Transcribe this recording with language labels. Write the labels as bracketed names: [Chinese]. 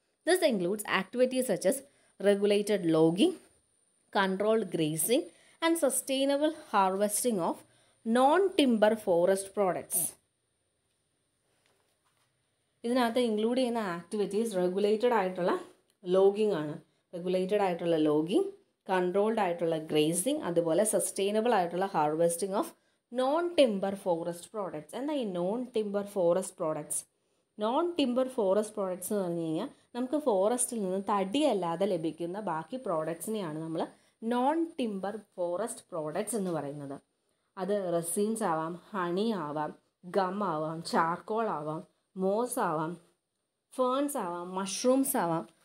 [English] This includes activities such as regulated logging, controlled grazing and sustainable harvesting of non timber forest products. [Malayalam] ഇതിനകത്ത് include ചെയ്യുന്ന activities regulated ആയിട്ടുള്ള logging ആണ്. Regulated ആയിട്ടുള്ള logging, controlled ആയിട്ടുള്ള grazing, അതുപോലെ sustainable ആയിട്ടുള്ള harvesting of [English] non-timber forest products. [Malayalam] എന്താ ഈ non timber forest products? Non timber forest products എന്ന് പറഞ്ഞു കഴിഞ്ഞാൽ നമുക്ക് ഫോറസ്റ്റിൽ നിന്ന് തടിയല്ലാതെ ലഭിക്കുന്ന ബാക്കി പ്രോഡക്ട്സിനെയാണ് നമ്മൾ നോൺ ടിമ്പർ ഫോറസ്റ്റ് പ്രോഡക്ട്സ് എന്ന് പറയുന്നത്. അത് റെസിൻസ് ആവാം, ഹണി ആവാം, ഗം ആവാം, ചാർക്കോൾ ആവാം, മോസ് ആവാം, ഫേൺസ് ആവാം, മഷ്റൂംസ് ആവാം.